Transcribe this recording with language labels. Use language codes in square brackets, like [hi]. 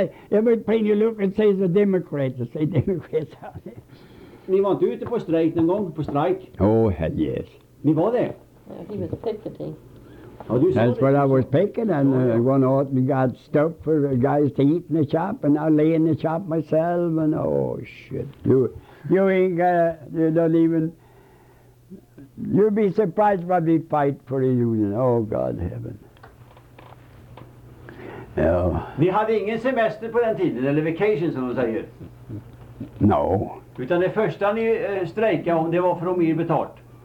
[en] Everything you look and say is a Democrat, you say Democrat. [sv] Ni var inte ute på strejk någon gång, på strejk? [en] Oh, hell yes. [sv] Ni var det? [en] Yeah, he was picketing. Oh, that's [sv] det? [en] What I was picking, and one of them got stuck for guys to eat in the shop, and I lay in the shop myself, and oh, shit, you'd be surprised when we fight for the union. Oh God, heaven. No. [sv] Ni hade ingen semester på den tiden, eller vacation som de säger? [en] No. [sv] Utan det första ni strejkade om, det var för mer betalt?